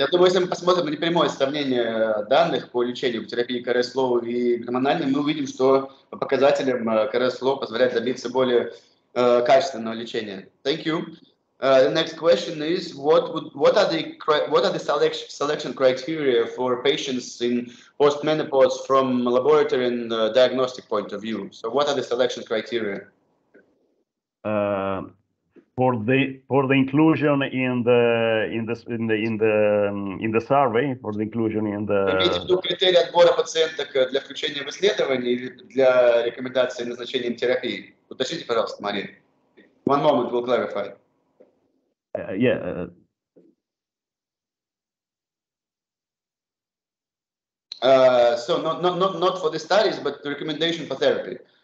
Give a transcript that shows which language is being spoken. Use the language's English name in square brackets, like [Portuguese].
[Russian] Я думаю, если мы посмотрим на прямое сравнение данных по лечению терапии Paris flow и гормональной, мы увидим, что по показателям Paris flow позволяет добиться более качественного лечения. [English] Thank you. The next question is: What are the selection criteria for patients in postmenopause from laboratory and diagnostic point of view? So, what are the selection criteria for the inclusion in the survey, for the inclusion in the? [Russian] Имеете в виду критерии отбора пациенток для включения в исследование или для рекомендации назначения терапии? Уточните, пожалуйста, Мария. [English] One moment, we'll clarify. So not for the studies, but the recommendation for therapy.